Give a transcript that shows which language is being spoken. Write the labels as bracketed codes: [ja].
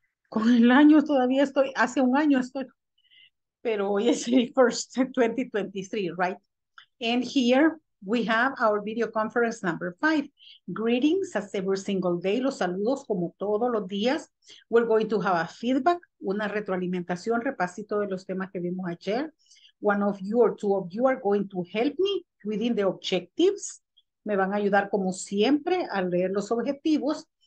[es] Con el año todavía estoy, hace un año estoy, pero hoy es el [en] first 2023, right? And here, we have our video conference number 5. Greetings as every single day. [es] Los saludos como todos los días. [en] We're going to have a feedback, [es] una retroalimentación, repasito de los temas que vimos ayer. [en] One of you or two of you are going to help me within the objectives. [es] Me van a ayudar como siempre a leer los objetivos.